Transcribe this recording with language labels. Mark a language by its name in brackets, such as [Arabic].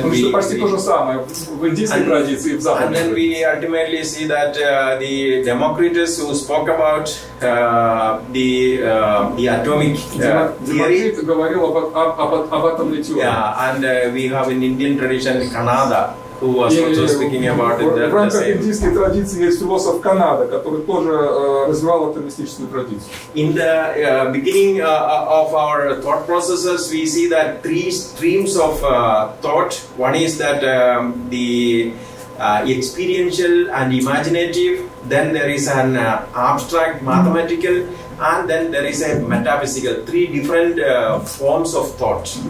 [English] And then we ultimately see that the Democritus who spoke about the atomic theory. [Russian] Об атомной теории. [English] Yeah, and we have in Indian tradition Kanada. who was also speaking about it. [Russian] В рамках индийской традиции есть философ Канады, который тоже развивал эту мистическую традицию. [English] In the beginning of our thought processes, we see that three streams of thought. One is that the experiential and imaginative. Then there is an abstract mathematical. And then there is a metaphysical, three different forms of thought.